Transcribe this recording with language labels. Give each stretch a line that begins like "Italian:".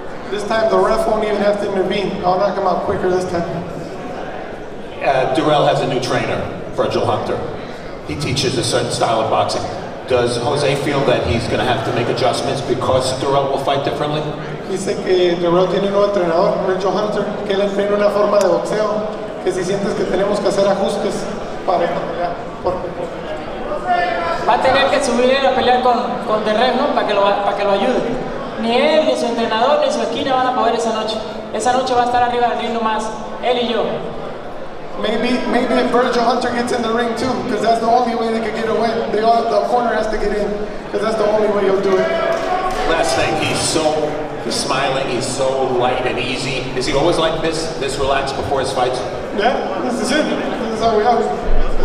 English: This time the ref won't even have to intervene. I'll knock him out quicker this time. Dirrell has a new trainer, Virgil Hunter. He teaches a certain style of boxing. Does Jose feel that he's going to have to make adjustments because Dirrell will fight differently? He said
Spanish: que Dirrell tiene un nuevo entrenador, Virgil Hunter, que él entrena una forma de boxeo, que si sientes que tenemos que hacer ajustes para pelear. Va a tener que subir a pelear con Dirrell, ¿no? Para que lo ayude. Ni él, ni su entrenador, ni su esquina van a poder esa noche. Esa noche va a estar arriba del ring nomás, él y yo.
English: Maybe if Virgil Hunter gets in the ring too, because that's the only way they could get a win. The corner has to get in, because that's the only way he'll do it. Last thing, he's smiling, he's so light and easy. Is he always like this relaxed before his fights? Yeah, this is it. This is how we have it.